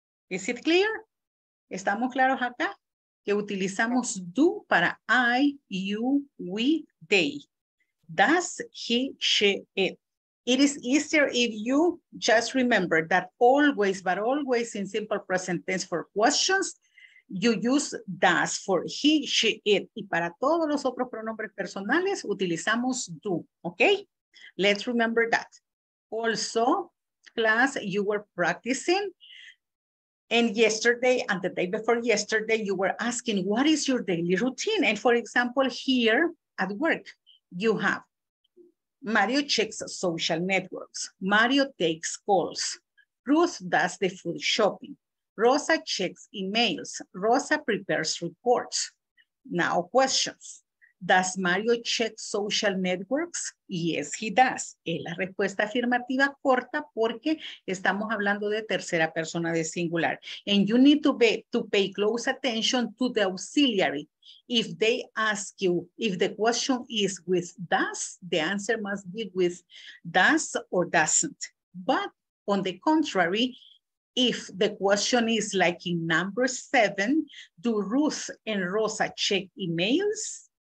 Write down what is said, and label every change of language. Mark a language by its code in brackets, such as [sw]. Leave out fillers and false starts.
[en] Is it clear? [es] ¿Estamos claros acá? Que utilizamos [en] do para I, you, we, they. Does, he, she, it. It is easier if you just remember that always, but always in simple present tense for questions, you use does for he, she, it. [es] Y para todos los otros pronombres personales, utilizamos do, okay? [en] Let's remember that. Also, class, you were practicing. And yesterday and the day before yesterday, you were asking, what is your daily routine? And for example, here at work, you have Mario checks social networks. Mario takes calls. Ruth does the food shopping. Rosa checks emails. Rosa prepares reports. Now questions. Does Mario check social networks? Yes, he does. [es] Es la respuesta afirmativa corta porque estamos hablando de tercera persona de singular. [en] And you need to pay close attention to the auxiliary. If they ask you, if the question is with does, the answer must be with does or doesn't. But on the contrary, if the question is like in number 7, do Ruth and Rosa check emails?